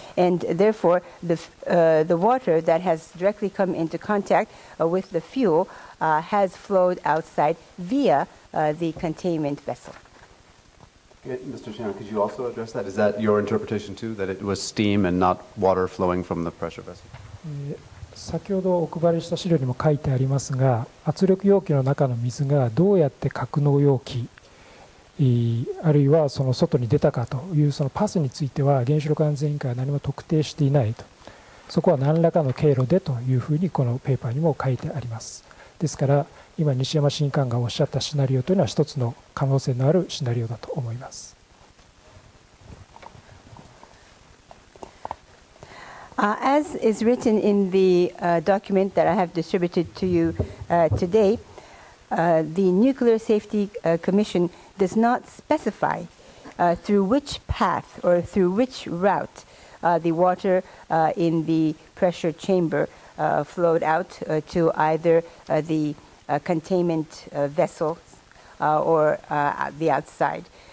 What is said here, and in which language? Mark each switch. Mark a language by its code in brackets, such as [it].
[en] And therefore, the water that has directly come into contact with the fuel has flowed outside via the containment vessel. Mr. Shannon, could you also address that? Is that your interpretation too, that it was steam and not water flowing from the pressure vessel? [ja] 先ほどお配りした資料にも書いてありますが、圧力容器の中の水がどうやって格納容器、あるいはその外に出たかというそのパスについては、原子力安全委員会は何も特定していないと。そこは何らかの経路でというふうにこのペーパーにも書いてあります。ですから今西山新官がおっしゃったシナリオというのは一つの可能性のあるシナリオだと思います。 [en] As is written in the document that I have distributed to you today, the Nuclear Safety Commission does not specify through which path or through which route the water in the pressure chamberflowed out to either the containment vessels or the outside.